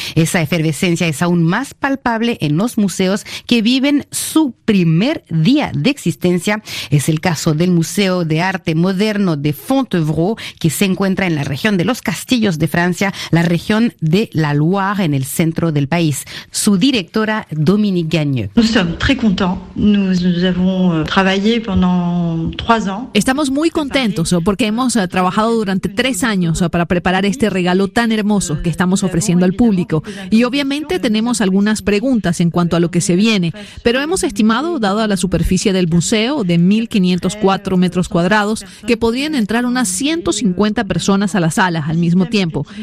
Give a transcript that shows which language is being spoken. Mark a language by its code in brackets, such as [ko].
[es] Esa efervescencia es aún más palpable en los museos que viven su primer día de existencia. Es el caso del Museo de Arte Moderno de Fontevraud, que se encuentra en la región de los Castillos de Francia, la región de la Loire, en el centro del país. Su directora, Dominique Gagneux. [fr] Nous sommes très contents. Nous avons travaillé pendant 3 ans. [es] Estamos muy contentos porque hemos trabajado durante 3 años para preparar este regalo tan hermoso que estamos ofreciendo al público. Y obviamente tenemos algunas preguntas en cuanto a lo que se viene, pero hemos estimado, dado a la superficie del museo de 1.504 metros cuadrados, que podrían entrar unas 150 personas a la sala al mismo tiempo.